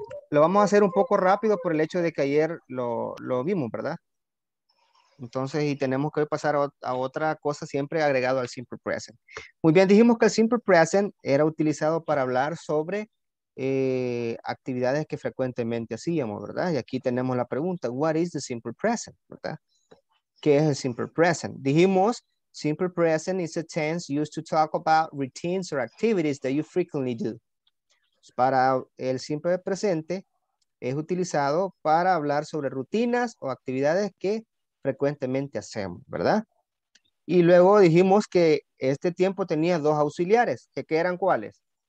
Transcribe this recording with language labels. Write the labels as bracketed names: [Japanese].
[Spanish] Lo vamos a hacer un poco rápido por el hecho de que ayer lo vimos, ¿verdad? Entonces, y tenemos que pasar a otra cosa siempre agregado al simple present. Muy bien, dijimos que el simple present era utilizado para hablar sobre actividades que frecuentemente hacíamos, ¿verdad? Y aquí tenemos la pregunta, [English] what is the simple present, [Spanish] ¿verdad? ¿Qué es el simple present? Dijimos, [English] simple present is a tense used to talk about routines or activities that you frequently do. [Spanish] Para el simple presente, es utilizado para hablar sobre rutinas o actividades que frecuentemente hacemos, ¿verdad? Y luego dijimos que este tiempo tenía dos auxiliares, que ¿qué eran cuáles?